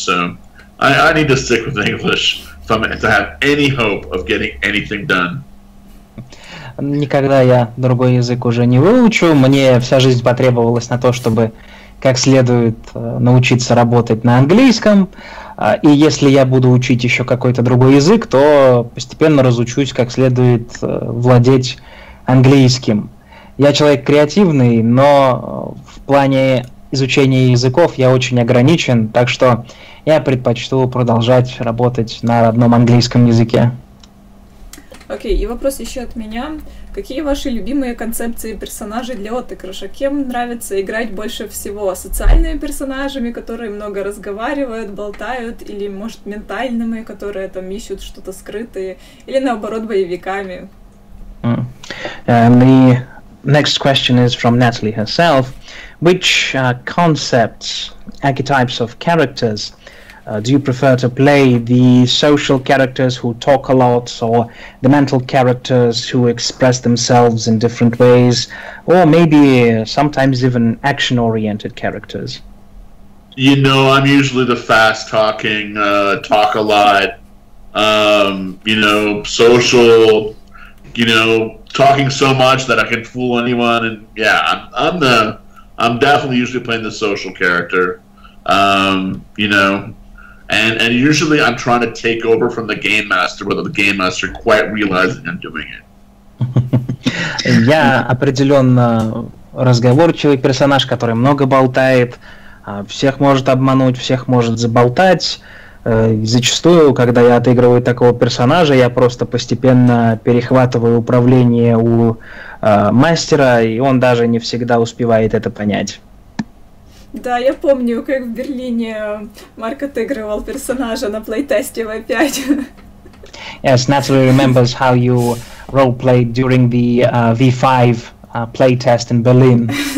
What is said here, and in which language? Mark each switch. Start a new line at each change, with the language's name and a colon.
English: So I need to stick with English if I'm to have any hope of getting anything done.
Russian: Никогда я другой язык уже не выучу. Мне вся жизнь потребовалась на то, чтобы как следует научиться работать на английском. И если я буду учить еще какой-то другой язык, то постепенно разучусь как следует владеть английским. Я человек креативный, но в плане изучения языков я очень ограничен, так что я предпочту продолжать работать на родном английском языке. Окей, и вопрос еще от меня. Какие ваши любимые концепции персонажей для отыгрыша? Кем нравится играть больше всего? Социальными персонажами, которые много разговаривают, болтают, или, может, ментальными, которые там ищут что-то скрытое, или, наоборот, боевиками?
English: Next question is from Natalie herself. Which concepts, archetypes of characters do you prefer to play? The social characters who talk a lot, or the mental characters who express themselves in different ways, or maybe sometimes even action-oriented characters? You know, I'm usually the fast-talking, talk a lot, social, you know, talking so much that I can fool anyone, and yeah, I'm definitely usually playing the social character, and usually I'm trying to take over from the game master without the game master quite realizing I'm doing it.
Russian: Я определенно разговорчивый персонаж, который много болтает, всех может обмануть, всех может заболтать. Зачастую, когда я отыгрываю такого персонажа, я просто постепенно перехватываю управление у мастера, и он даже не всегда успевает это понять. Да, я помню, как в Берлине Марк отыгрывал персонажа на плейтесте в 5.
English: Yes, Natalie remembers how you role played during the V5 playtest in Berlin.